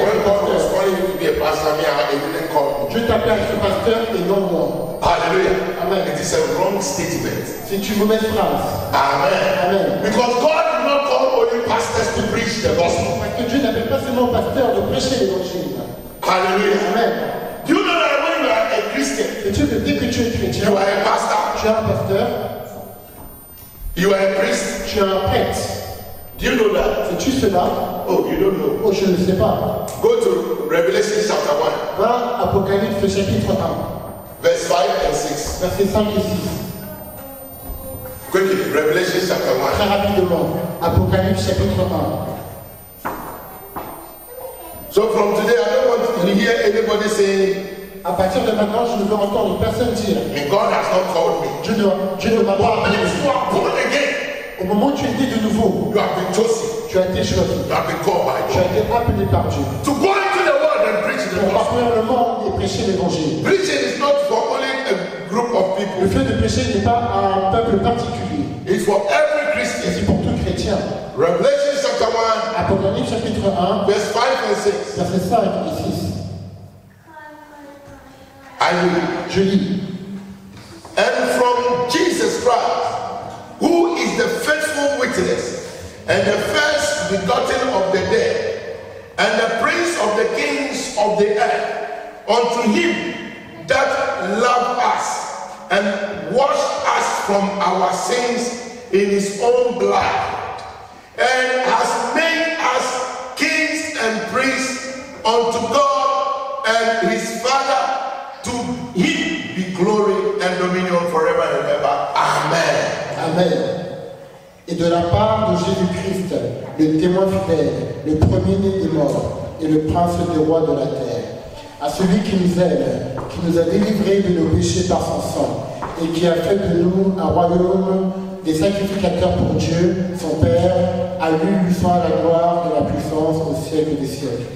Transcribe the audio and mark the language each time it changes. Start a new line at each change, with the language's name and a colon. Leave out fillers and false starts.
English: When God was calling you to be a pastor, me I didn't call you.
French: Dieu t'a appelé à être pasteur et non moi. Hallelujah. Amen.
English: It is a wrong statement.
French: C'est une mauvaise phrase. Amen. Amen.
English: Because God did not call only pastors to preach the gospel.
French: Dieu n'appelle pas seulement pasteur de prêcher l'évangile. Hallelujah. Amen.
English: Do you know that when you are a Christian,
French: et tu, dès que tu es chrétien,
English: you are a pastor.
French: Tu es un pasteur.
English: You are a priest.
French: Tu es un prêtre.
English: Do you know that?
French: Sais-tu cela?
English: Oh, you don't know.
French: Oh, je ne sais pas.
English: Go to Revelation chapter 1.
French: Va à Apocalypse chapitre 1.
English: Verse 5 and 6.
French: Verset 5 et 6.
English: Quickly, Revelation chapter 1.
French: Très rapidement. Apocalypse chapitre 1.
English: So from today, I don't want to hear anybody saying.
French: À partir de maintenant, je ne veux entendre personne dire.
English: And God has not called me.
French: Dieu ne m'a pas appelé.
English: When you are born again,
French: au moment où tu es né de nouveau,
English: you have been chosen.
French: Tu as été choisi.
English: You have been called by God.
French: Tu as été appelé par Dieu.
English: To go into the world and preach the gospel.
French: Pour parcourir le monde et prêcher l'évangile.
English: Preaching is not for only a group of people.
French: Le fait de prêcher n'est pas à un peuple particulier.
English: It's for every Christian.
French: C'est pour tout chrétien.
English: Revelation.
French: Apocalypse chapitre 1,
English: verse 5 and 6.
French: Verset 5 et 6. Je lis.
English: And from Jesus Christ, who is the faithful witness, and the first begotten of the dead, and the prince of the kings of the earth, unto him that loved us and washed us from our sins in his own blood. And has made us kings and priests unto God and his Father. To him be glory and dominion forever and ever. Amen. Amen.
French: Et de la part de Jésus-Christ, le témoin fidèle, le premier-né des morts et le prince des rois de la terre, à celui qui nous aime, qui nous a délivrés de nos péchés par son sang et qui a fait de nous un royaume des sacrificateurs pour Dieu, son Père, à lui soit la gloire et la puissance au siècle des siècles.